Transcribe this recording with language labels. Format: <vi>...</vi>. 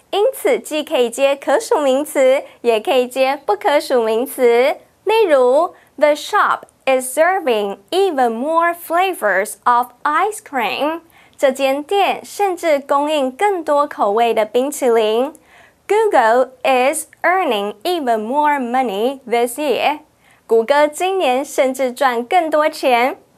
<zh>因此既可以接可数名词，也可以接不可数名词。例如</zh> <en>The shop is serving even more flavors of ice cream.</en> <zh>这间店甚至供应更多口味的冰淇淋。</zh> <en>Google is earning even more money this year.</en> <zh>谷歌今年甚至赚更多钱。</zh>